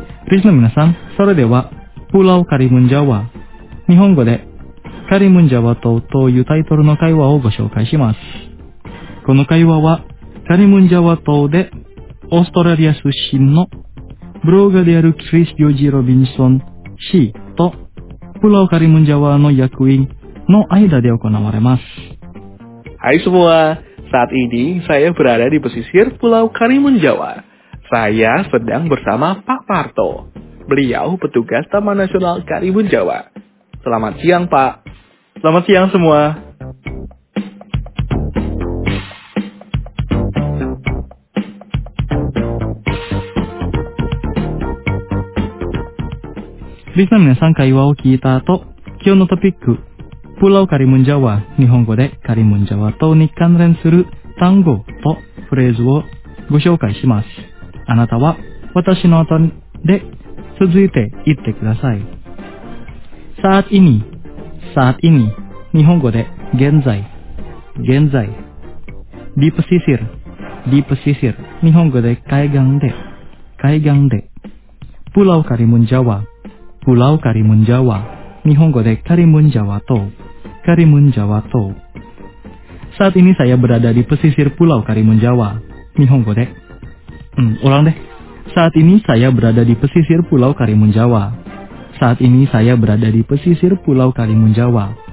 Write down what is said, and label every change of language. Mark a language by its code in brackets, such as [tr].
[ja] リスナーの皆さん、それではプラオカリムンジャワ、日本語でカリムンジャワ島というタイトルの会話をご紹介します。この会話はカリムンジャワ島でオーストラリア出身のブロガーであるクリス・ヨジ・ロビンソン氏とプラオカリムンジャワの役員の間で行われます。 [id] Hai semua, saat ini saya berada di pesisir Pulau Karimun Jawa. Saya sedang bersama Pak Parto. Beliau petugas Taman Nasional Karimun Jawa. Selamat siang, Pak. Selamat siang semua. [ja] リスナーの皆さん、会話を聞いた後、今日のトピック、プラウカリムンジャワ、日本語でカリムンジャワとに関連する単語とフレーズをご紹介します。あなたは私の後で続いて言ってください。さあ、意味、さあ、意味、日本語で現在、現在。ディープシシル、ディープシシル、日本語で海岸で、海岸で。プラウカリムンジャワ、プラウカリムンジャワ、日本語でカリムンジャワ島、カリムンジャワ島。 [id] Saat ini saya berada di pesisir Pulau Karimun Jawa. [ja] Nihongo de. [id] Ulang deh. Saat ini saya berada di pesisir Pulau Karimun Jawa. Saat ini saya berada di pesisir Pulau Karimun Jawa.